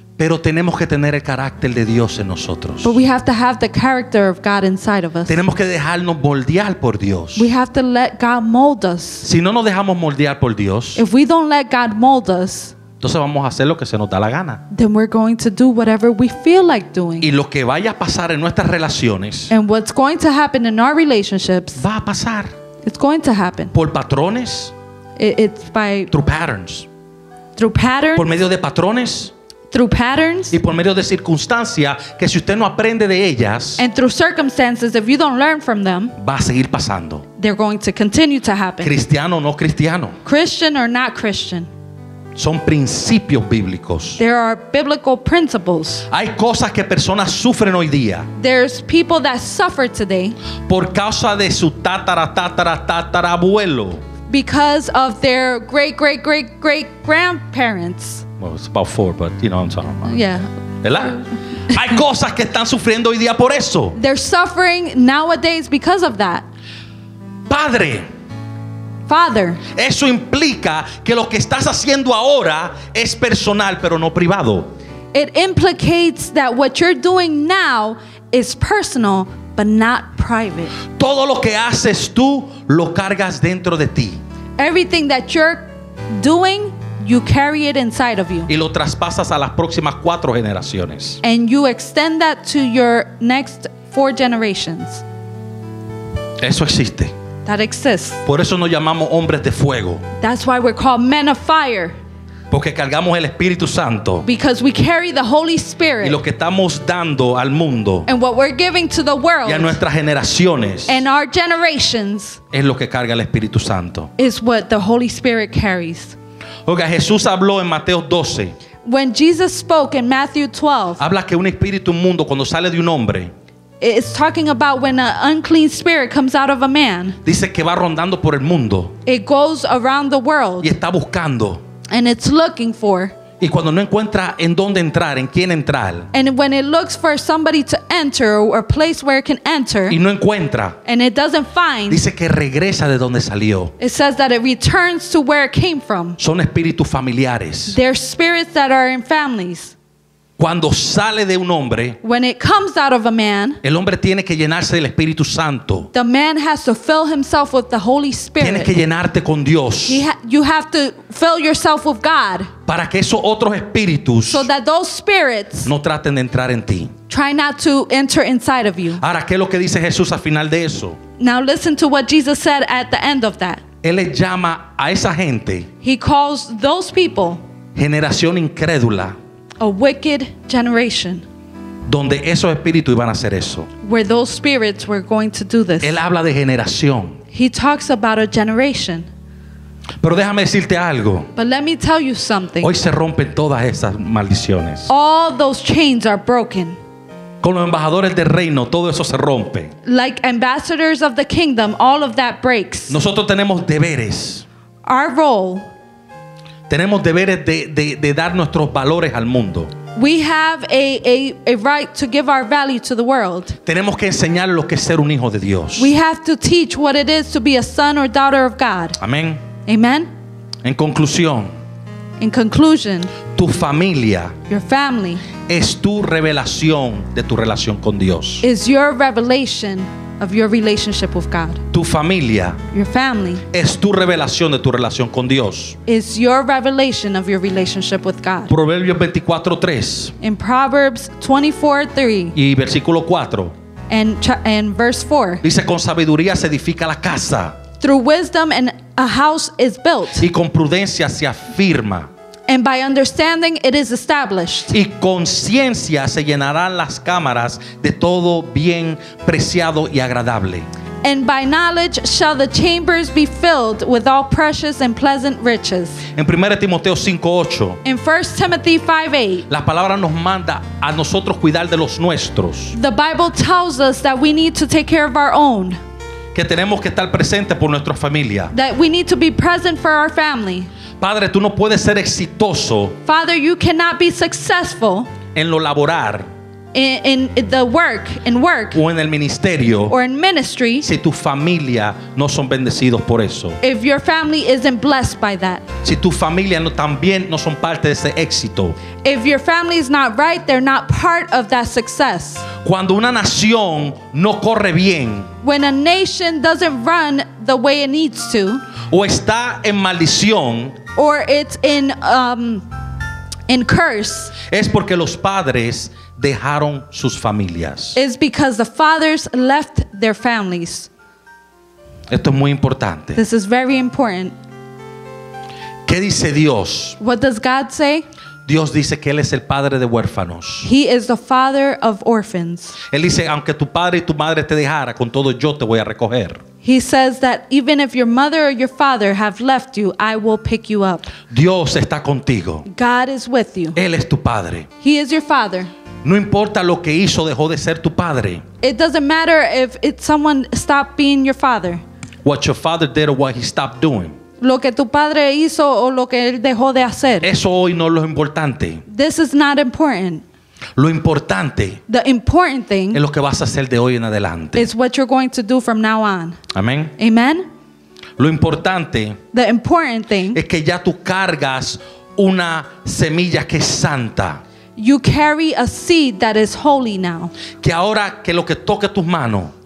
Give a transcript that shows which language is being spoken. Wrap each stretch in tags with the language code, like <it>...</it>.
<es>Pero tenemos que tener el carácter de Dios en nosotros.</es> <en>But we have to have the character of God inside of us.</en> <es>Tenemos que dejarnos moldear por Dios.</es> <en>We have to let God mold us.</en> <es>Si no nos dejamos moldear por Dios,</es> <en>if we don't let God mold us,</en> <es>entonces vamos a hacer lo que se nos da la gana.</es> <en>Then we're going to do whatever we feel like doing.</en> <es>Y lo que vaya a pasar en nuestras relaciones,</es> <en>and what's going to happen in our relationships,</en> <es>va a pasar.</es> <en>It's going to happen.</en> <es>Por patrones.</es> <en>It's by through patterns. Through patterns.</en> <es>Por medio de patrones.</es> <en>Through patterns.</en> <es>Y por medio de circunstancias que si usted no aprende de ellas,</es> <en>and through circumstances, if you don't learn from them,</en> <es>va a seguir pasando.</es> <en>They're going to continue to happen.</en> <es>Cristiano o no cristiano.</es> <en>Christian or not Christian.</en> <es>Son principios bíblicos.</es> <en>There are biblical principles.</en> <es>Hay cosas que personas sufren hoy día.</es> <en>There's people that suffer today.</en> <es>Por causa de su tatara tatara tatara abuelo.</es> <en>Because of their great great great great grandparents. Well, it's about four, but you know what I'm talking about. Yeah.</en> <es>¿Verdad? Hay cosas que están sufriendo hoy día por eso.</es> <en>They're suffering nowadays because of that.</en> <es>Padre.</es> <en>Father.</en> <es>Eso implica que lo que estás haciendo ahora es personal, pero no privado.</es> <en>It implicates that what you're doing now is personal, but not private.</en> <es>Todo lo que haces tú lo cargas dentro de ti.</es> <en>Everything that you're doing, you carry it inside of you.</en> <es>Y lo traspasas a las próximas cuatro generaciones.</es> <en>And you extend that to your next four generations.</en> <es>Eso existe.</es> <en>That exists.</en> <es>Por eso nos llamamos hombres de fuego.</es> <en>That's why we're called men of fire.</en> <es>Porque cargamos el Espíritu Santo.</es> <en>Because we carry the Holy Spirit.</en> <es>Y lo que estamos dando al mundo.</es> <en>And what we're giving to the world.</en> <es>Y a nuestras generaciones.</es> <en>And our generations.</en> <es>Es lo que carga el Espíritu Santo.</es> <en>Is what the Holy Spirit carries.</en> <es>Oiga, Jesús habló en Mateo 12.</es> <en>When Jesus spoke in Matthew 12.</en> <es>Habla que un espíritu inmundo cuando sale de un hombre.</es> <en>It's talking about when an unclean spirit comes out of a man.</en> <es>Dice que va rondando por el mundo.</es> <en>It goes around the world.</en> <es>Y está buscando.</es> <en>And it's looking for.</en> <es>Y cuando no encuentra en dónde entrar, en quién entrar.</es> <en>And when it looks for somebody to enter or a place where it can enter.</en> <es>Y no encuentra.</es> <en>And it doesn't find.</en> <es>Dice que regresa de donde salió.</es> <en>It says that it returns to where it came from.</en> <es>Son espíritus familiares.</es> <en>They're spirits that are in families.</en> <es>Cuando sale de un hombre,</es> <en>when it comes out of a man,</en> <es>el hombre tiene que llenarse del Espíritu Santo.</es> <en>The man has to fill himself with the Holy Spirit.</en> <es>Tienes que llenarte con Dios.</es> <en>You have to fill yourself with God.</en> <es>Para que esos otros espíritus,</es> <en>so that those spirits,</en> <es>no traten de entrar en ti.</es> <en>Try not to enter inside of you.</en> <es>Ahora, ¿qué es lo que dice Jesús al final de eso?</es> <en>Now listen to what Jesus said at the end of that.</en> <es>Él les llama a esa gente.</es> <en>He calls those people.</en> <es>Generación incrédula.</es> <en>A wicked generation.</en> <es>Donde esos espíritus iban a hacer eso.</es> <en>Where those spirits were going to do this.</en> <es>Él habla de generación.</es> <en>He talks about a generation.</en> <es>Pero déjame decirte algo.</es> <en>But let me tell you something.</en> <es>Hoy se rompen todas esas maldiciones.</es> <en>All those chains are broken.</en> <es>Con los embajadores del reino, todo eso se rompe.</es> <en>Like ambassadors of the kingdom, all of that breaks.</en> <es>Nosotros tenemos deberes.</es> <en>Our role.</en> <es>Tenemos deberes de dar nuestros valores al mundo.</es> <en>We have a right to give our value to the world.</en> <es>Tenemos que enseñar lo que es ser un hijo de Dios.</es> <en>We have to teach what it is to be a son or daughter of God.</en> <es>Amén.</es> <en>Amen.</en> <es>En conclusión.</es> <en>In conclusion.</en> <es>Tu familia.</es> <en>Your family.</en> <es>Es tu revelación de tu relación con Dios.</es> <en>Is your revelation of your relationship with God.</en> <es>Tu familia,</es> <en>your family,</en> <es>es tu revelación de tu relación con Dios.</es> <en>Is your revelation of your relationship with God.</en> <es>Proverbios 24:3.</es> <en>In Proverbs 24:3.</en> <es>Y versículo 4.</es> <en>And verse 4.</en> <es>Dice, con sabiduría se edifica la casa.</es> <en>Through wisdom and a house is built.</en> <es>Y con prudencia se afirma.</es> <en>And by understanding it is established.</en> <es>Y con ciencia se llenarán las cámaras de todo bien preciado y agradable.</es> <en>And by knowledge shall the chambers be filled with all precious and pleasant riches.</en> <es>En 1 Timoteo 5:8.</es> <en>In 1 Timothy 5:8.</en> <es>La palabra nos manda a nosotros cuidar de los nuestros.</es> <en>The Bible tells us that we need to take care of our own.</en> <es>Que tenemos que estar presente por nuestra familia.</es> <en>That we need to be present for our family.</en> <es>Padre, tú no puedes ser exitoso.</es> <en>Father, you cannot be successful.</en> <es>En lo laboral.</es> <en>In work.</en> <es>O en el ministerio.</es> <en>Or in ministry.</en> <es>Si tu familia no son bendecidos por eso.</es> <en>If your family isn't blessed by that.</en> <es>Si tu familia no, también no son parte de ese éxito.</es> <en>If your family is not right, they're not part of that success.</en> <es>Cuando una nación no corre bien.</es> <en>When a nation doesn't run the way it needs to.</en> <es>O está en maldición.</es> <en>Or it's in curse.</en> <es>Es porque los padres dejaron sus familias.</es> <en>It's because the fathers left their families.</en> <es>Esto es muy importante.</es> <en>This is very important.</en> <es>¿Qué dice Dios?</es> <en>What does God say?</en> <es>Dios dice que Él es el padre de huérfanos.</es> <en>He is the father of orphans.</en> <es>Él dice, aunque tu padre y tu madre te dejara, con todo yo te voy a recoger.</es> <en>He says that even if your mother or your father have left you, I will pick you up.</en> <es>Dios está contigo.</es> <en>God is with you.</en> <es>Él es tu padre.</es> <en>He is your father.</en> <es>No importa lo que hizo, dejó de ser tu padre.</es> <en>It doesn't matter if it's someone stopped being your father. What your father did or what he stopped doing.</en> <es>Lo que tu padre hizo o lo que él dejó de hacer. Eso hoy no es lo importante.</es> <en>This is not important.</en> <es>Lo importante.</es> <en>The important thing.</en> <es>Es lo que vas a hacer de hoy en adelante.</es> <en>Is what you're going to do from now on.</en> <es>Amén.</es> <en>Amen.</en> <es>Lo importante.</es> <en>The important thing.</en> <es>Es que ya tú cargas una semilla que es santa.</es> <en>You carry a seed that is holy now.</en> <es>Que ahora que lo que toque tus manos.</es>